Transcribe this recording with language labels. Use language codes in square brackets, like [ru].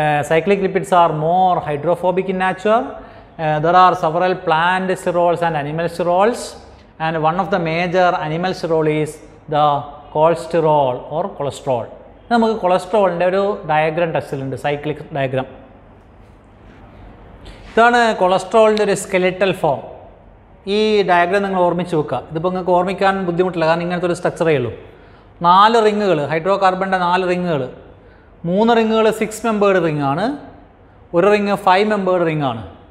[en] Cyclic lipids are more hydrophobic in nature. There are several plant sterols and animal sterols, and one of the major animal sterols is the cholesterol or cholesterol. [ml] നമുക്ക് കൊളസ്ട്രോളിൻ്റെ ഒരു diagram ടെസ്റ്റിലുണ്ട്, cyclic diagram. ഇതാണ് കൊളസ്ട്രോളിൻ്റെ ഒരു skeletal form. ഈ diagram നിങ്ങൾ ഓർമ്മിച്ച് വെക്കുക, ഇതിപ്പോൾ നിങ്ങൾക്ക് ഓർമ്മിക്കാൻ ബുദ്ധിമുട്ടില്ല, കാരണം ഇങ്ങനത്തെ ഒരു സ്ട്രക്ചറേ ഉള്ളൂ. നാല് റിങ്ങുകൾ, ഹൈഡ്രോ കാർബണിൻ്റെ നാല് റിങ്ങുകൾ. മൂന്ന് റിങ്ങുകൾ സിക്സ് മെമ്പേർഡ് റിങ്ങാണ്, ഒരു റിങ് ഫൈവ് മെമ്പേർഡ് റിങ്ങാണ്.